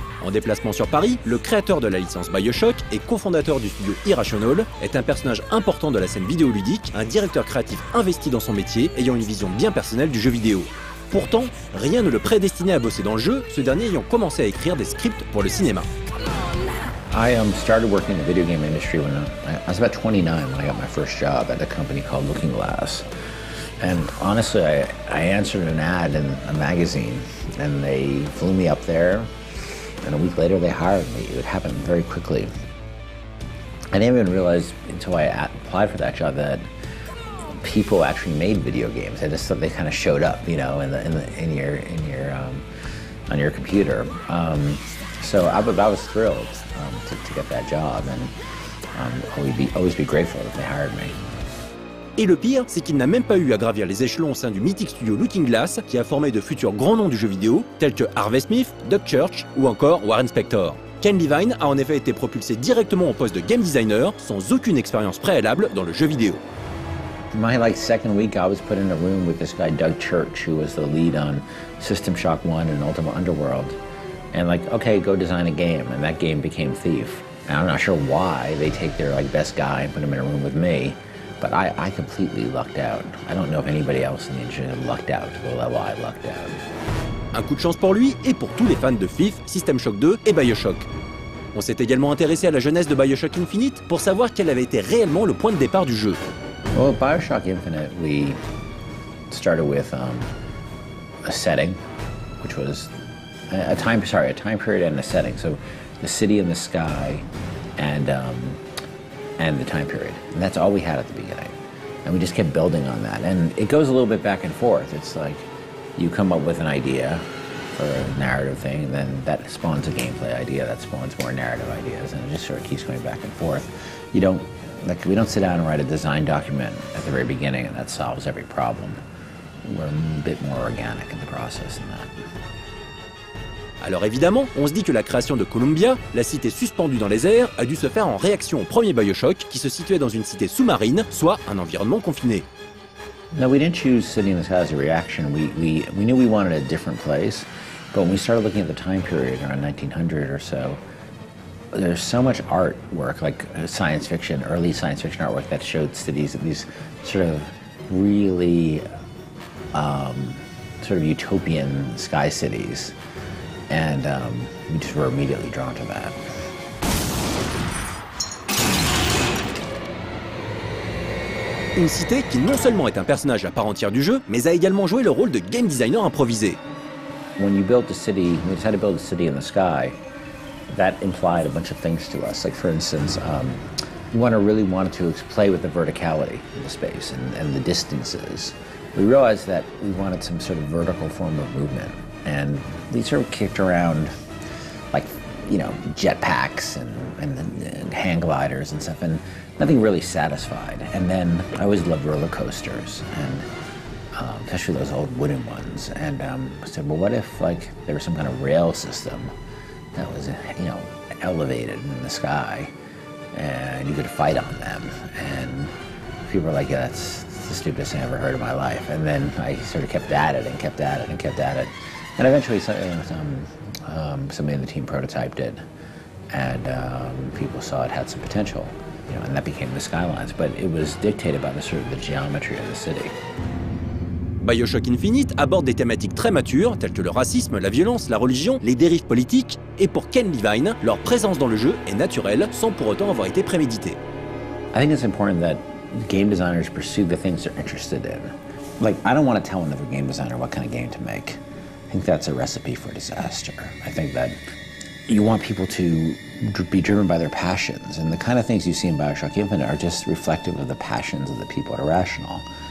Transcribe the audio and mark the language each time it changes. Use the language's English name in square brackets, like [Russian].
[French] En déplacement sur Paris, le créateur de la licence Bioshock et cofondateur du studio Irrational est un personnage important de la scène vidéoludique, un directeur créatif investi dans son métier, ayant une vision bien personnelle du jeu vidéo. Pourtant, rien ne le prédestinait à bosser dans le jeu, ce dernier ayant commencé à écrire des scripts pour le cinéma. [English] I started working in the video game industry when I was about 29 when I got my first job at a company called Looking Glass. And honestly, I answered an ad in a magazine and they flew me up there. And a week later, they hired me. It happened very quickly. I didn't even realize until I applied for that job that people actually made video games. I just thought they kind of showed up, you know, on your computer. So I was thrilled to get that job, and always be grateful that they hired me. [French] Et le pire, c'est qu'il n'a même pas eu à gravir les échelons au sein du mythique studio Looking Glass, qui a formé de futurs grands noms du jeu vidéo, tels que Harvey Smith, Doug Church ou encore Warren Spector. Ken Levine a en effet été propulsé directement au poste de game designer, sans aucune expérience préalable dans le jeu vidéo. [English] My like second week, I was put in a room with this guy Doug Church, who was the lead on System Shock 1 and Ultima Underworld. and like, okay, go design a game, and that game became Thief. And I'm not sure why they take their like best guy and put him in a room with me, but I completely lucked out. I don't know if anybody else in the industry lucked out to the level I lucked out. [French] Un coup de chance pour lui et pour tous les fans de Thief, System Shock 2 et BioShock. On s'est également intéressé à la jeunesse de BioShock Infinite pour savoir quel avait été réellement le point de départ du jeu. [English] Well, BioShock Infinite, we started with a setting, which was a time period and a setting. So the city and the sky and the time period. And that's all we had at the beginning. And we just kept building on that. And it goes a little bit back and forth. It's like you come up with an idea for a narrative thing, and then that spawns a gameplay idea, that spawns more narrative ideas, and it just sort of keeps going back and forth. You don't, like, we don't sit down and write a design document at the very beginning and that solves every problem. We're a bit more organic in the process than that. [French] Alors évidemment, on se dit que la création de Columbia, la cité suspendue dans les airs, a dû se faire en réaction au premier BioShock qui se situait dans une cité sous-marine, soit un environnement confiné. [English] No, we didn't choose City in the Sky as a reaction. We knew we wanted a different place, but when we started looking at the time period around 1900 or so, there's so much artwork, like science fiction, early science fiction artwork that showed cities of these sort of really sort of utopian sky cities. And we just were immediately drawn to that. [French] Une cité qui non seulement est un personnage à part entière du jeu, mais a également joué le rôle de game designer improvisé. [English] When you built a city, we decided to build a city in the sky, that implied a bunch of things to us. Like for instance, we really wanted to play with the verticality of the space and the distances. We realized that we wanted some sort of vertical form of movement. And we sort of kicked around like, you know, jetpacks and hand gliders and stuff. And nothing really satisfied. And then I always loved roller coasters, and especially those old wooden ones. And I said, well, what if like there was some kind of rail system that was, you know, elevated in the sky and you could fight on them? And people were like, yeah, that's the stupidest thing I ever heard in my life. And then I sort of kept at it and kept at it and kept at it. And eventually somebody in the team prototyped it, and people saw it had some potential. You know, and that became the skylines, but it was dictated by the sort of the geometry of the city. [French] BioShock Infinite aborde des thématiques très matures, telles que le racisme, la violence, la religion, les dérives politiques, et pour Ken Levine, leur présence dans le jeu est naturelle, sans pour autant avoir été préméditée. [English] I think it's important that game designers pursue the things they're interested in. Like, I don't want to tell another game designer what kind of game to make. I think that's a recipe for disaster. I think that you want people to be driven by their passions, and the kind of things you see in BioShock Infinite are just reflective of the passions of the people at Irrational.